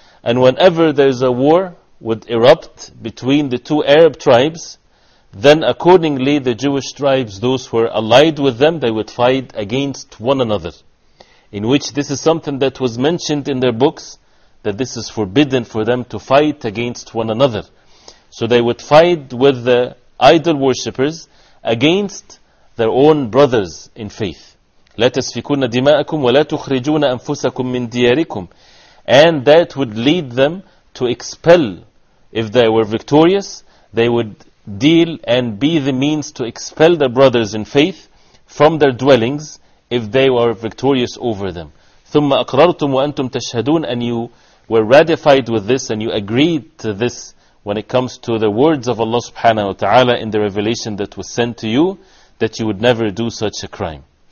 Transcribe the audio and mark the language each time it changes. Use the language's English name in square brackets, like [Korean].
[English] And whenever there is a war would erupt between the two Arab tribes, then accordingly the Jewish tribes, those who were allied with them, they would fight against one another. In which this is something that was mentioned in their books, that this is forbidden for them to fight against one another. So they would fight with the idol worshippers against their own brothers in faith. [Arabic] لا تسفكون دماءكم ولا تخرجون أنفسكم من دياركم. [English] And that would lead them to expel, if they were victorious, they would deal and be the means to expel their brothers in faith from their dwellings if they were victorious over them. [Arabic] ثُمَّ أَقْرَرْتُمْ وَأَنْتُمْ تَشْهَدُونَ [English] And you were ratified with this and you agreed to this when it comes to the words of Allah subhanahu wa ta'ala in the revelation that was sent to you that you would never do such a crime.